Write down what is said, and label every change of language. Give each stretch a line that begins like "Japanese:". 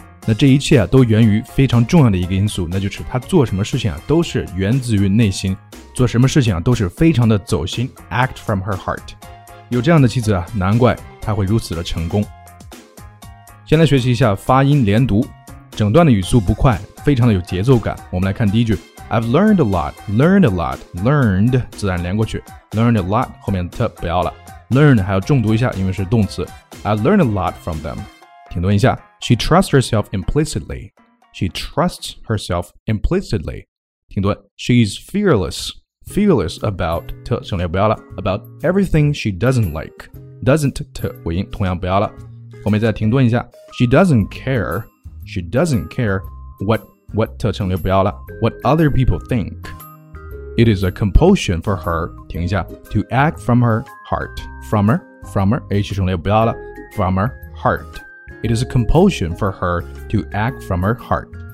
Chinese: 那这一切啊，都源于非常重要的一个因素，那就是他做什么事情啊，都是源自于内心，做什么事情啊，都是非常的走心 ，
English: act from her heart。
Chinese: 有这样的妻子啊，难怪他会如此的成功。先来学习一下发音连读，整段的语速不快，非常的有节奏感。我们来看第一句 ，
English: I've learned a lot, learned
Chinese: a lot, learned， 自然连过去 ，
English: learned a lot，
Chinese: 后面的 t 不要了 ，learn 还要重读一下，因为是动词 ，
English: I learned a lot from them。
Chinese: 停顿
English: 一下 ，She trusts herself implicitly. She trusts herself implicitly.
Chinese: 停顿
English: ，She's fearless. Fearless about
Chinese: 特省略不要了
English: ，about everything she doesn't like.
Chinese: Doesn't 特尾音同样不要了。后面再停顿一下 ，
English: She doesn't care. She doesn't care what
Chinese: 特省略不要了
English: ，what other people think. It is a compulsion for her.
Chinese: 停一下
English: ，to act from her heart. From her H
Chinese: 省略不要了
English: ，from her heart. It is a compulsion for her to act from her heart.